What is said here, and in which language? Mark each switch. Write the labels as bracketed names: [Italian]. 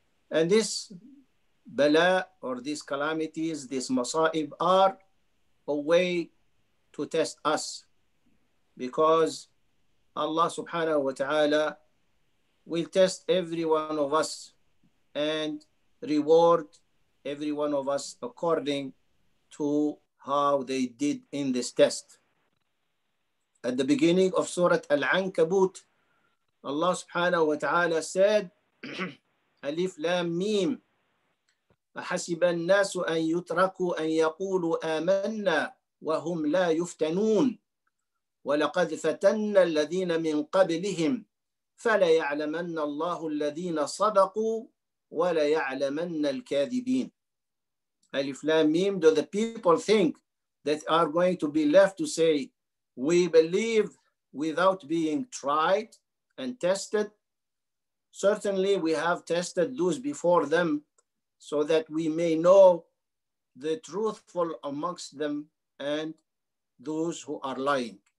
[English] And this bala, or these calamities, these masaib, are a way to test us, because Allah subhanahu wa ta'ala will test every one of us and reward every one of us according to how they did in this test. At the beginning of Surah Al-Ankabut, Allah subhanahu wa ta'ala said, Alif Lam Mim, [Arabic] أحسب الناس أن يتركوا أن يقولوا آمنا وهم لا يفتنون ولقد فتن الذين من قبلهم فليعلمن الله الذين صدقوا وَلَيَعْلَمَنَّ الْكَاذِبِينَ. [English] Alif Lam Mim, do the people think that are going to be left to say, we believe without being tried and tested? Certainly we have tested those before them so that we may know the truthful amongst them and those who are lying.